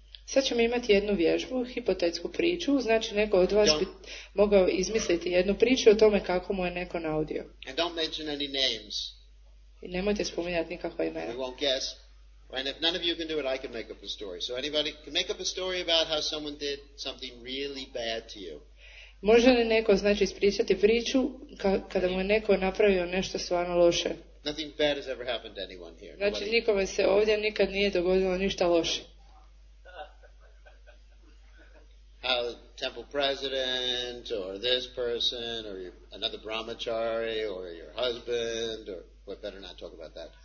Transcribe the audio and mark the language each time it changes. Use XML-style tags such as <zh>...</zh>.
<hr>Sad ćemo imati jednu vježbu, hipotetsku priču, znači neko od vas bi mogao izmisliti jednu priču o tome kako mu je neko naudio.</hr> <en>And don't mention any names.</en> <hr>I nemojte spominjati nikakva imena.</hr> <en>We won't guess. And if none of you can do it, I can make up a story. So anybody can make up a story about how someone did something really bad to you.</en> <hr>Može li neko, znači, ispričati priču kada mu je neko napravio nešto stvarno loše?</hr> <en>Nothing bad has ever happened to anyone here.</en> <hr>Znači, nikome se ovdje nikad nije dogodilo ništa loše.</hr> <en>Temple president, or this person, or another brahmachari, or your husband, or we better not talk about that.</en>